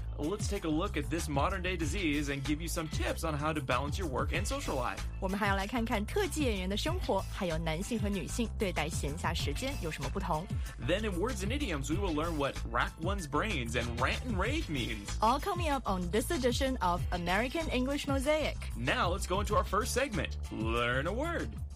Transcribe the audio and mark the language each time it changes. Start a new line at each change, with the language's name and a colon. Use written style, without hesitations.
English: Let's take a look at this modern-day disease and give you some tips on how to balance your work and social life.
Chinese: 我们还要来看看特技演员的生活，还有男性和女性对待闲暇时间有什么不同。
English: Then in words and idioms, we will learn what rack one's brains and rant and rave means. All coming up on this edition of American English Mosaic. Now let's go into our first segment, Learn a Word.